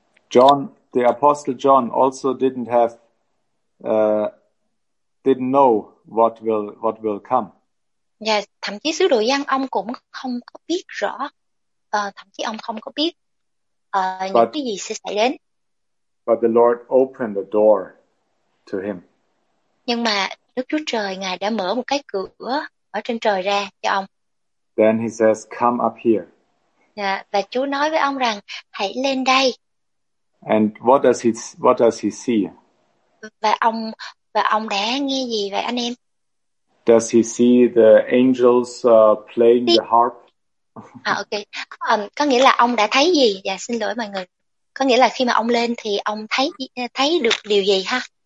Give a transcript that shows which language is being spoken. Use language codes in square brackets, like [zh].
[en] John, the Apostle John, also didn't know what will come. [vi] Thậm chí sứ đồ Giăng ông cũng không có biết rõ, thậm chí ông không có biết những cái gì sẽ xảy đến. [en] But the Lord opened the door to him. [vi] Nhưng mà Đức Chúa Trời ngài đã mở một cái cửa ở trên trời ra cho ông. [en] Then he says, "Come up here." [vi] Và Chúa nói với ông rằng hãy lên đây. [en] And what does he see? [vi] Và ông đã nghe gì vậy anh em? [en] Does he see the angels playing the harp? [vi] Có nghĩa là ông đã thấy gì? Dạ xin lỗi mọi người. Có nghĩa là khi mà ông lên thì ông thấy được điều gì ha?